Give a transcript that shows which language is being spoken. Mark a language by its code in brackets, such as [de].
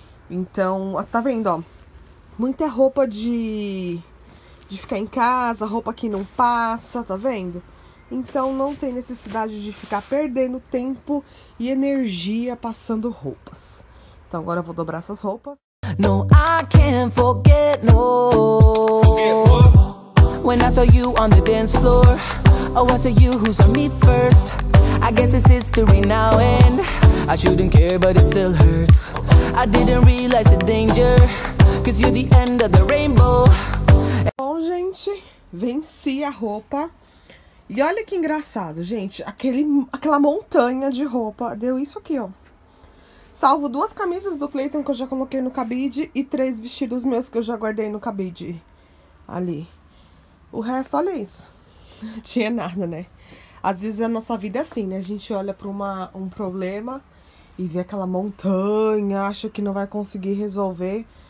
[pt] Então, tá vendo, ó? Muita roupa de ficar em casa, roupa que não passa, tá vendo? Então, não tem necessidade de ficar perdendo tempo e energia passando roupas. Então, agora eu vou dobrar essas roupas. [en] No, I can't forget, no. When I saw you on the dance floor, oh, I saw you who saw me first. I guess it's history now and I shouldn't care, but it still hurts. I didn't realize the danger, 'cause you're the end of the rainbow. [pt] Bom, gente, venci a roupa. E olha que engraçado, gente, aquela montanha de roupa deu isso aqui, ó. Salvo duas camisas do Cleiton que eu já coloquei no cabide e três vestidos meus que eu já guardei no cabide ali. O resto, olha isso. Não tinha nada, né? Às vezes a nossa vida é assim, né? A gente olha para um problema e vê aquela montanha, acha que não vai conseguir resolver.